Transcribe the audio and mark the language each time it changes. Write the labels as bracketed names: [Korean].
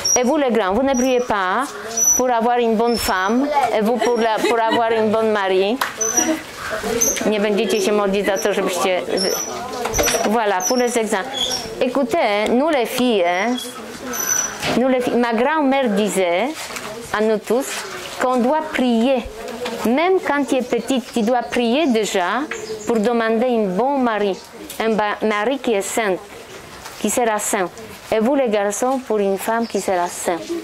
[French] Et vous les grands, vous ne priez pas pour avoir une bonne femme et vous pour avoir une bonne mari. [Polish] Nie będziecie się modlić za to, żebyście... [French] Voilà, pour les exams. Écoutez, nous les filles, ma grand-mère disait à nous tous qu'on doit prier. Même quand tu es petite, tu dois prier déjà pour demander un bon mari. Un mari qui est saint, qui sera saint. Et vous les garçons, pour une femme qui sera saint.